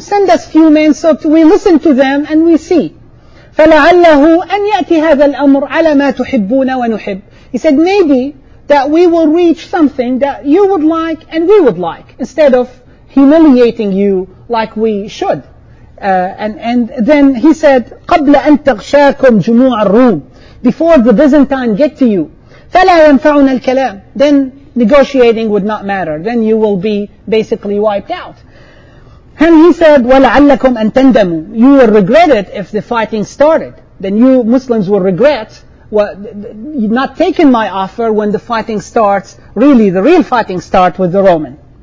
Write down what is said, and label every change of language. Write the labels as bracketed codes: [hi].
[en] Send us few men so we listen to them and we see. [ar] فَلَعَلَّهُ أَنْ يَأْتِ هَذَا الْأَمْرُ عَلَى مَا تُحِبُّونَ وَنُحِبُّ. [en] He said, maybe that we will reach something that you would like and we would like, instead of humiliating you like we should. And then he said, [ar] قَبْلَ أَن تَغْشَاكُمْ جُمُوعَ الرُّومِ. [en] Before the Byzantine get to you, [ar] فَلَا يَنْفَعُنَا الْكَلَامِ. [en] Then negotiating would not matter. Then you will be basically wiped out. And he said, [ar] وَلَعَلَّكُمْ أَن تَنْدَمُوا. [en] You will regret it if the fighting started. Then you Muslims will regret not taking my offer when the fighting starts, really the real fighting starts with the Roman.